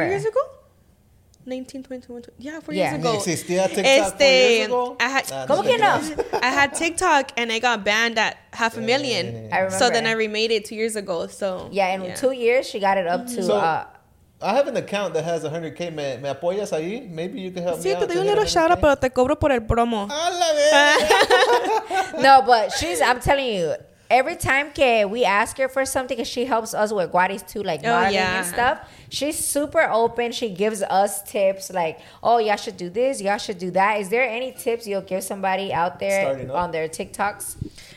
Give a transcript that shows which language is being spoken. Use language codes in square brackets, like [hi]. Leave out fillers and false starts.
[en] It 4 years ago? 4 years ago. Yeah, [es] existía [en] TikTok 4 years ago? I had TikTok and it got banned at 500,000. Yeah. I remember. So then I remade it 2 years ago. So yeah, in 2 years, she got it up to... So, I have an account that has 100K. [es] ¿Me apoyas ahí? [en] Maybe you can help me out. [es] Sí, te doy un [en] little shout out, [es] pero te cobro por el promo. ¡A la vez! [en] No, but I'm telling you, every time [es] que [en] we ask her for something, because she helps us with Guaris too, like modeling and stuff, she's super open. She gives us tips like, oh, y'all should do this, y'all should do that. Is there any tips you'll give somebody out there on their TikToks?